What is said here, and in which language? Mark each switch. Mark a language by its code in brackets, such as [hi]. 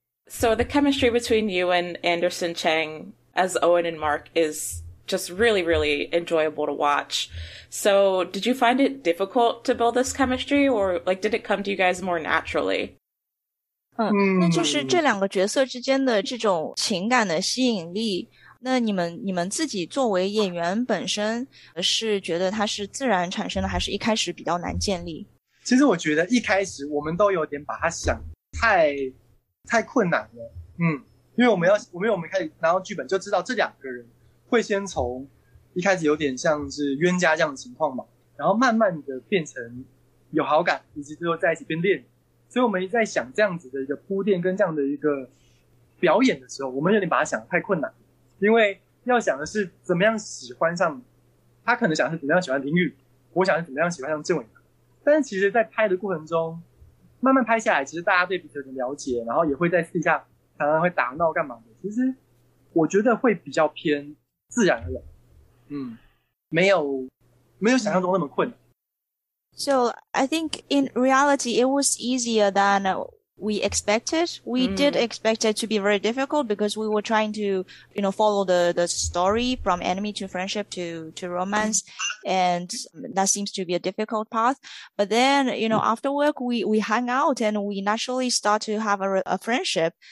[en] So the chemistry between you and Anderson Chang as Owen and Mark is just really, really enjoyable to watch. So did you find it difficult to build this chemistry, or like, did it come to you guys more naturally? [zh] 那就是这两个角色之间的这种情感的吸引力，那你们自己作为演员本身是觉得它是自然产生的，还是一开始比较难建立？其实我觉得一开始我们都有点把它想太困难了。因为我们开始拿到剧本就知道这两个人会先从一开始有点像是冤家这样的情况嘛，然后慢慢的变成有好感，以及最后在一起变恋人。所以我们在想这样子的一个铺垫跟这样的一个表演的时候，我们有点把它想得太困难，因为要想的是怎么样喜欢上他，可能想的是怎么样喜欢林宇，我想的是怎么样喜欢上郑伟。但是其实在拍的过程中慢慢拍下来，其实大家对彼此的了解，然后也会在私底下常常会打闹干嘛的，其实我觉得会比较偏自然的，没有想象中那么困难。 [en] So I think in reality it was easier than we expected. We did expect it to be very difficult because we were trying to, you know, follow the story from enemy to friendship to romance. And that seems to be a difficult path. But then, you know, after work, we hang out and we naturally start to have a friendship.